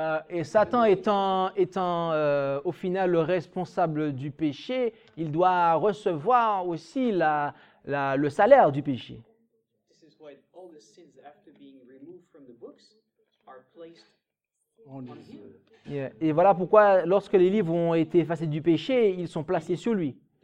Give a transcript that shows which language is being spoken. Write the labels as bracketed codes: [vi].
[fr] Et Satan étant au final le responsable du péché, il doit recevoir aussi le salaire du péché. [en] This is why all the sins after being removed from the books are placed on him. Yeah. [fr] Et voilà pourquoi lorsque les livres ont été effacés du péché, ils sont placés sur lui.